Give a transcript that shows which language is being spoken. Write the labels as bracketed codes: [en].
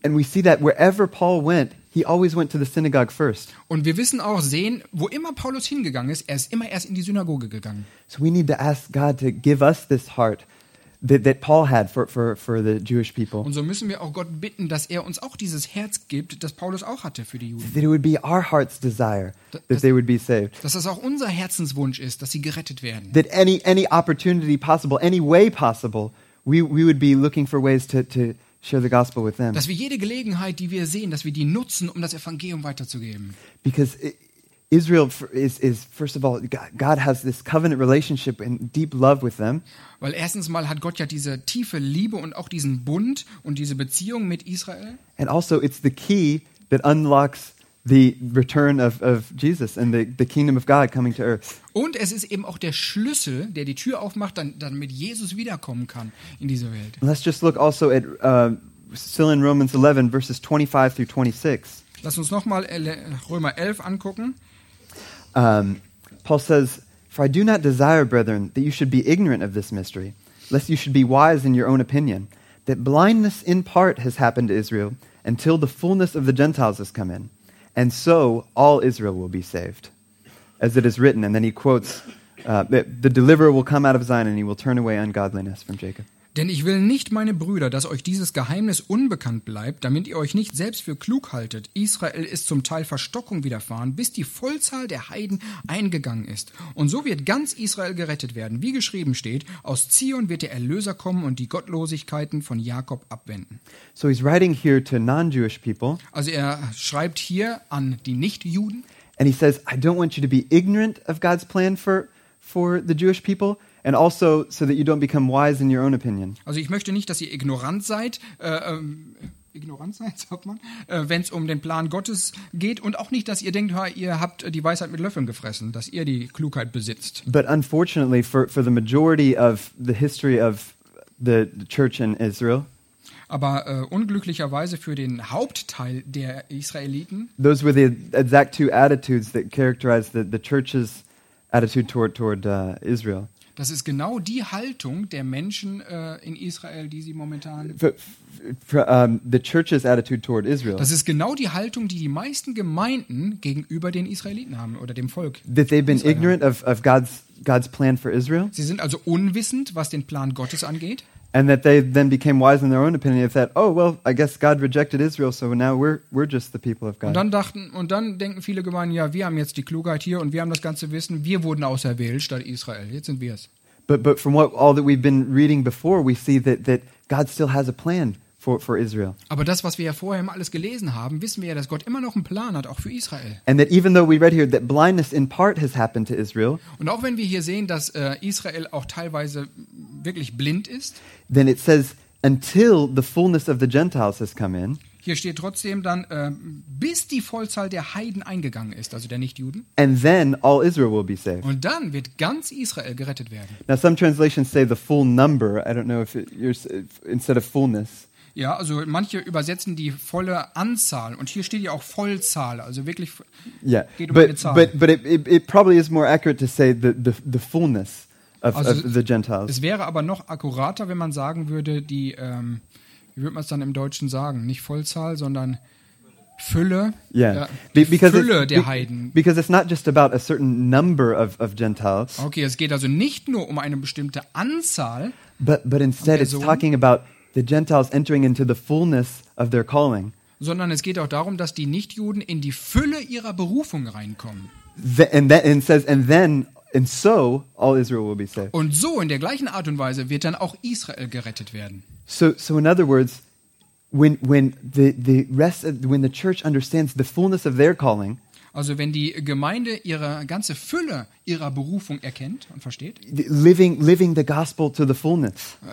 [en] And we see that wherever Paul went, he always went to the synagogue first. [de] Und wir wissen auch, sehen, wo immer Paulus hingegangen ist, er ist immer erst in die Synagoge gegangen. [en] So we need to ask God to give us this heart that Paul had for the Jewish people. [de] Und so müssen wir auch Gott bitten, dass er uns auch dieses Herz gibt, das Paulus auch hatte für die Juden. [en] That it would be our heart's desire that they would be saved. [de] Dass das auch unser Herzenswunsch ist, dass sie gerettet werden. [en] That any opportunity possible, any way possible, we would be looking for ways to share the gospel with them. [de] Dass wir jede Gelegenheit, die wir sehen, dass wir die nutzen, um das Evangelium weiterzugeben. [en] Because Israel is first of all, God has this covenant relationship and deep love with them. [de] Weil erstens mal hat Gott ja diese tiefe Liebe und auch diesen Bund und diese Beziehung mit Israel. [en] And also it's the key that unlocks the return of Jesus and the kingdom of God coming to earth. [de] Und es ist eben auch der Schlüssel, der die Tür aufmacht, dann mit Jesus wiederkommen kann in diese Welt. [en] Let's just look also at still in Romans 11 verses 25 through 26. [de] Lass uns nochmal Römer 11 angucken. [en] Paul says, for I do not desire, brethren, that you should be ignorant of this mystery, lest you should be wise in your own opinion, that blindness in part has happened to Israel until the fullness of the Gentiles has come in. And so all Israel will be saved, as it is written. And then he quotes, the deliverer will come out of Zion and he will turn away ungodliness from Jacob. [de] Denn ich will nicht, meine Brüder, dass euch dieses Geheimnis unbekannt bleibt, damit ihr euch nicht selbst für klug haltet. Israel ist zum Teil Verstockung widerfahren, bis die Vollzahl der Heiden eingegangen ist. Und so wird ganz Israel gerettet werden, wie geschrieben steht, aus Zion wird der Erlöser kommen und die Gottlosigkeiten von Jakob abwenden. [en] So he's writing here to non-Jewish people. [de] Also er schreibt hier an die Nicht-Juden. [en] And he says, I don't want you to be ignorant of God's plan for the Jewish people. And also so that you don't become wise in your own opinion. [de] Also ich möchte nicht, dass ihr ignorant seid, sagt man, wenn es um den Plan Gottes geht, und auch nicht, dass ihr denkt, ihr habt die Weisheit mit Löffeln gefressen, dass ihr die Klugheit besitzt. [en] But unfortunately for the majority of the history of the church in Israel. [de] Aber unglücklicherweise für den Hauptteil der Israeliten. [en] Those were the exact two attitudes that characterized the church's attitude toward Israel. [de] Das ist genau die Haltung der Menschen in Israel, die sie momentan. [en] The church's attitude toward Israel. [de] Das ist genau die Haltung, die meisten Gemeinden gegenüber den Israeliten haben oder dem Volk. [en] That they've been ignorant of God's plan for Israel. [de] Sie sind also unwissend, was den Plan Gottes angeht. [en] And that they then became wise in their own opinion. They thought, oh well, I guess God rejected Israel, so now we're just the people of God. [de] Und dann denken viele Gemeinden, ja, wir haben jetzt die Klugheit hier und wir haben das ganze Wissen. Wir wurden auserwählt statt Israel. Jetzt sind wir es. [en] But from what all that we've been reading before, we see that God still has a plan for Israel. [de] Aber das, was wir ja vorher immer alles gelesen haben, wissen wir ja, dass Gott immer noch einen Plan hat, auch für Israel. [en] And that even though we read here that blindness in part has happened to Israel. [de] Und auch wenn wir hier sehen, dass Israel auch teilweise wirklich blind ist. [en] Then it says, until the fullness of the Gentiles has come in. [de] Hier steht trotzdem dann, bis die Vollzahl der Heiden eingegangen ist, also der Nichtjuden. [en] And then all Israel will be saved. [de] Und dann wird ganz Israel gerettet werden. [en] Now some translations say the full number. I don't know instead of fullness. [de] Ja, also manche übersetzen die volle Anzahl und hier steht ja auch Vollzahl, also wirklich geht um eine Zahl. [en] But it probably is more accurate to say the fullness. Of the Gentiles. [de] Es wäre aber noch akkurater, wenn man sagen würde, die, wie würde man es dann im Deutschen sagen, nicht Vollzahl, sondern Fülle, Fülle der Heiden. [en] Because it's not just about a certain number of Gentiles. [de] Okay, es geht also nicht nur um eine bestimmte Anzahl. [en] But instead it's talking about the Gentiles entering into the fullness of their calling. [de] Sondern es geht auch darum, dass die Nichtjuden in die Fülle ihrer Berufung reinkommen. [en] And so all Israel will be saved. [de] Und so in der gleichen Art und Weise wird dann auch Israel gerettet werden. [en] So in other words, when the church understands the fullness of their calling. [de] Also wenn die Gemeinde ihre ganze Fülle ihrer Berufung erkennt und versteht. [en] Living the gospel to the fullness.